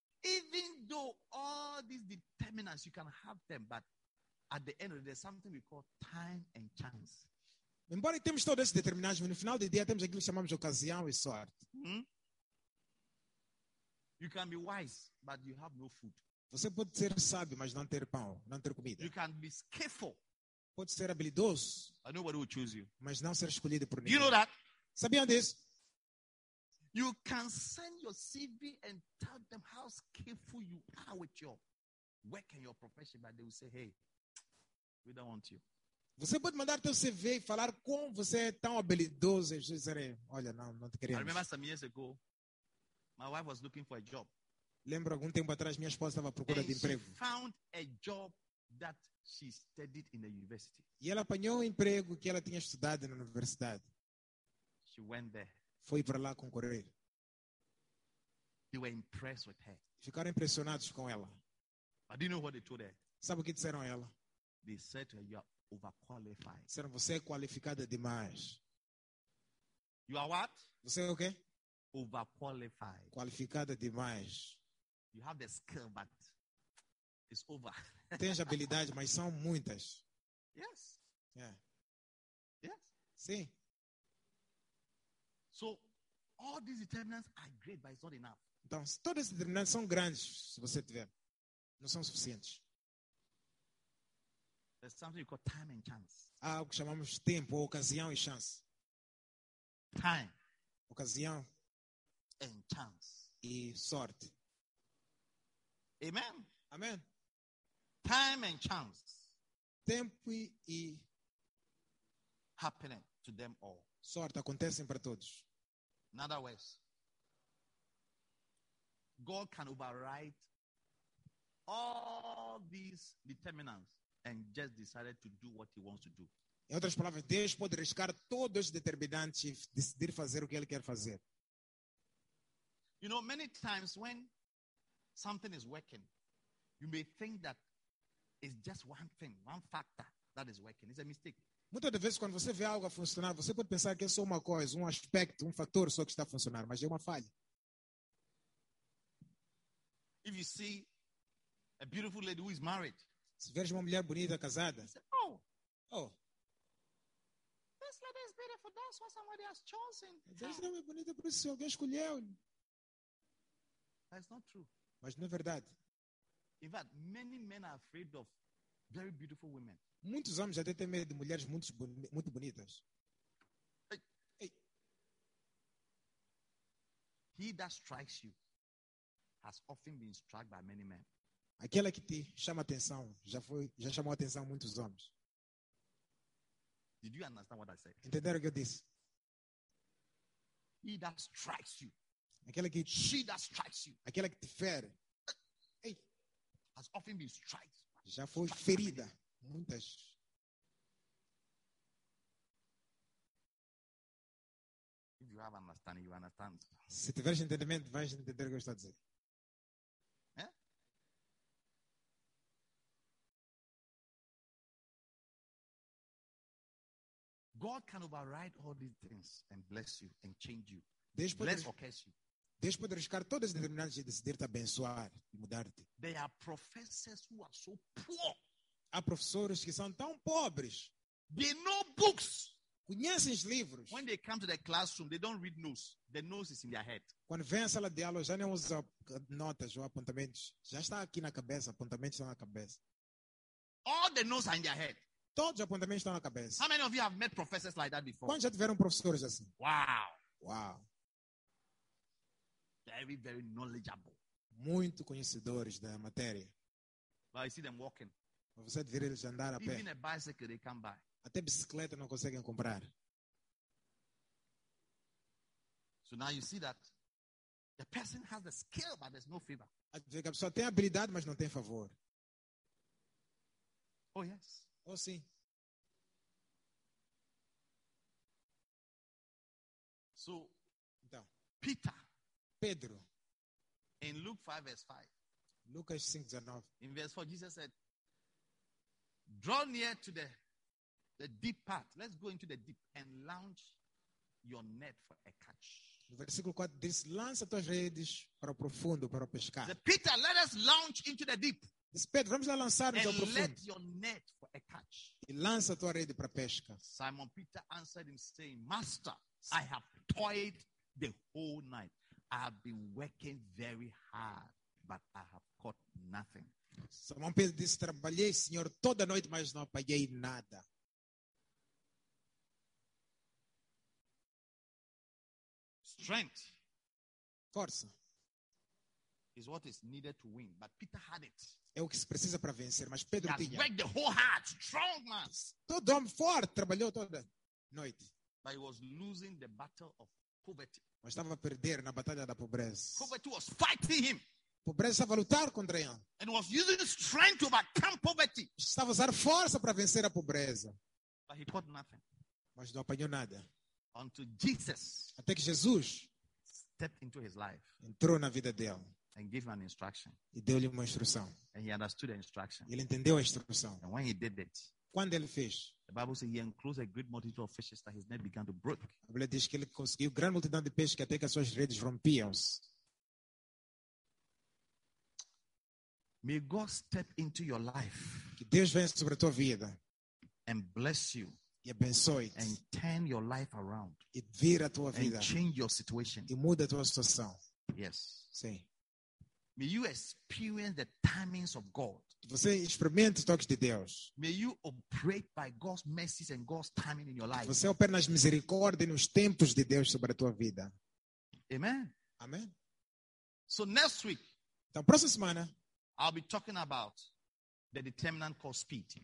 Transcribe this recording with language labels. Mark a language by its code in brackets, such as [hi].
[en] Even though all these determinants, you can have them, but at the end of it, there's something we call time and chance. [pt] Embora temos todos esses determinantes, mas no final do dia temos aquilo que chamamos de ocasião e sorte. [en] You can be wise, but you have no food. [pt] Você pode ser sábio, mas não ter pão, não ter comida. [en] You can be skillful. [pt] Pode ser habilidoso. [en] But nobody will choose you. [pt] Mas não ser escolhido por ninguém. [en] You know that? [pt] Sabiam disso? [en] You can send your CV and tell them how skillful you are with your work and your profession, but they will say, hey, we don't want you. [pt] Você pode mandar teu CV e falar como você é tão habilidoso, e eles dizerem, olha, não te queremos. [en] I remember some years ago, my wife was looking for a job. [pt] Lembro algum tempo atrás, minha esposa estava à procura [en] and [pt] de emprego. [en] She found a job that she studied in the university. [pt] E ela apanhou um emprego que ela tinha estudado na universidade. [en] She went there. [pt] Foi para lá concorrer. [en] They were impressed with her. [pt] Ficaram impressionados com ela. [en] But do you know what they told her? [pt] Sabe o que disseram a ela? [en] They said to her, you are overqualified. [pt] Disseram, você é qualificada demais. [en] You are what? [pt] Você é o quê? [en] Overqualified. [pt] Qualificada demais. [en] You have the skill, but it's over. [pt] Tens habilidades, mas são muitas. [en] Yes. Yeah. Yes. [pt] Sim. [en] So, all these determinants are great, but it's not enough. [pt] Então, todas as determinantes são grandes, se você tiver. Não são suficientes. [en] There's something called time and chance. [pt] Há algo que chamamos tempo, ou ocasião e chance. [en] Time. [pt] Ocasião. [en] And chance. [pt] E sorte. Amen. Amen. [en] Time and chance. [pt] Tempo e [en] happening to them all. [pt] Sorte acontecem para todos. [en] In other words, God can override all these determinants and just decide to do what he wants to do. [pt] Em outras palavras, Deus pode riscar todos os determinantes e decidir fazer o que ele quer fazer. [en] You know, many times when something is working, you may think that it's just one thing, one factor that is working. It's a mistake. [pt] Muitas vezes, quando você vê algo a funcionar, você pode pensar que é só uma coisa, um aspecto, um fator só que está a funcionar, mas é uma falha. [en] If you see a beautiful lady who is married, [pt] se vês uma mulher bonita casada, [en] say, oh, oh, this lady is beautiful, that's why somebody has chosen. [pt] Deus não é bonita por isso, alguém escolheu. [en] That's not true. [pt] Mas não é verdade. [en] In fact, many men are afraid of very beautiful women. [pt] Muitos homens até têm medo de mulheres muito bonitas. Hey. Hey. [en] He that strikes you has often been struck by many men. [pt] Aquela que te chama a atenção já chamou a atenção muitos homens. [en] Did you understand what I said? [pt] Entenderam o que eu disse? [en] he that strikes you. [pt] Aquele que [en] she that strikes you. [pt] Aquela que te fere. [en] Hey. Has often been striked. [pt] Já foi strike ferida. Muitas. [en] If you have understanding, you understand. [pt] Se tiveres entendimento, vais entender o que eu estou a dizer. [en] God can override all these things and bless you and change you. [pt] Deus poder, [en] bless or curse you. [pt] Deus pode riscar todas as determinadas e decidir te abençoar e mudar-te. [en] There are professors who are so poor. [pt] Há professores que são tão pobres. [en] They know books. [pt] Conhecem os livros. [en] When they come to the classroom, they don't read notes. The notes is in their head. [pt] Quando vem à sala de aula, já não usa notas ou apontamentos. Já está aqui na cabeça. Apontamentos estão na cabeça. [en] All the notes are in their head. [pt] Todos os apontamentos estão na cabeça. [en] How many of you have met professors like that before? [pt] Quantos já tiveram professores assim? Wow. Wow. [en] Very, very knowledgeable. [pt] Muito conhecedores da matéria. [en] Well, you see them walking. [pt] Você vê eles andar a pé. [en] Even a bicycle, they can't buy. [pt] Até bicicleta não conseguem comprar. [en] So now you see that the person has the skill, but there's no favor. [pt] A pessoa tem habilidade, mas não tem favor. [en] Oh, yes. [pt] Oh, sim. [en] So, [pt] então, [en] Peter, [pt] Pedro, [en] in Luke 5, verse 5, [pt] Lucas 5, 19, [en] in verse 4, Jesus said, draw near to the deep part. Let's go into the deep and launch your net for a catch. [pt] No versículo 4, diz, lança tuas redes para o profundo, para o pescar. [en] The Peter, let us launch into the deep. [pt] Pedro, vamos lá lançar [en] and [pt] ao profundo. [en] Let your net for a catch. [pt] E lança tua rede para pesca. [en] Simon Peter answered him, saying, Master, I have toiled the whole night. I have been working very hard, but I have caught nothing. [pt] Simon Pedro disse, trabalhei, Senhor, toda noite, mas não apaguei nada. [en] Strength. [pt] Força. [en] Is what is needed to win, but Peter had it. [pt] É o que se precisa para vencer, mas Pedro tinha. [en] He worked the whole heart, strong man. [pt] Todo homem forte trabalhou toda noite. [en] But he was losing the battle of poverty. [pt] Mas estava a perder na batalha da pobreza. [en] Poverty was fighting him. [pt] Pobreza estava a lutar contra ele. [en] And was using his strength to overcome poverty. [pt] Estava a usar força para vencer a pobreza. [en] But he caught nothing. [pt] Mas não apanhou nada. [en] Until Jesus. [pt] Até que Jesus [en] stepped into his life. [pt] Entrou na vida dele. [en] And gave him an instruction. [pt] E deu-lhe uma instrução. [en] And he understood the instruction. [pt] Ele entendeu a instrução. [en] And when he did it, [pt] quando ele fez, [en] the Bible says he enclosed a great multitude of fishes that his net began to break. [pt] A Bíblia diz que ele conseguiu grande multidão de peixes que até que as suas redes rompiam-se. [en] May God step into your life. [pt] Que Deus venha sobre a tua vida. [en] And bless you. [pt] E abençoe-te. [en] And turn your life around. [pt] E vira a tua vida. [en] And change your situation. [pt] E muda a tua situação. [en] Yes. [pt] Sim. [en] May you experience the timings of God. [pt] Você experimente os toques de Deus. [en] May you operate by God's mercies and God's timing in your life. [pt] Você opera nas misericórdias e nos tempos de Deus sobre a tua vida. Amen. Amen. [en] So next week, [pt] então, próxima semana, [en] I'll be talking about the determinant called speed.